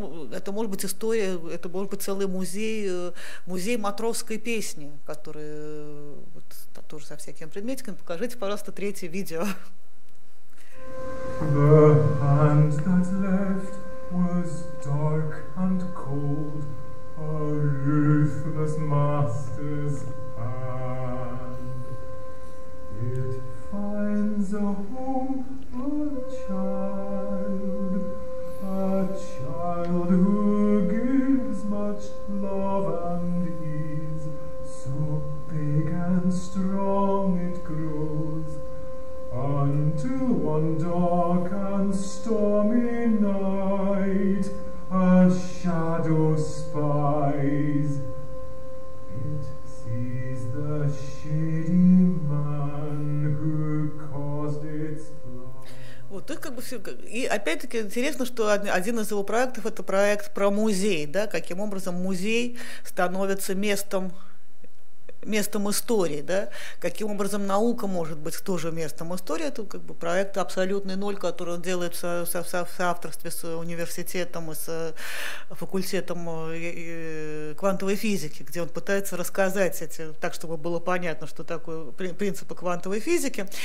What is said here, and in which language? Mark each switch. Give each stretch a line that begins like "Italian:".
Russian: Это может быть целый музей матросской песни, который вот, тоже со всякими предметиками. Покажите, пожалуйста, третье видео.
English: The hand that left was dark and cold. A ruthless master's hand. It finds a home, a child who gives much love and ease. So big and strong it grows, unto one dark and stormy night. A shadow spies. It sees the shady man who caused its flight.
Russian: Вот, и опять-таки интересно, что один из его проектов — это проект про музей, да, каким образом музей становится местом местом истории, да? Каким образом наука может быть тоже местом истории? Это как бы проект «Абсолютный ноль», который он делает в соавторстве с университетом и с факультетом квантовой физики, где он пытается рассказать эти, так, чтобы было понятно, что такое принципы квантовой физики.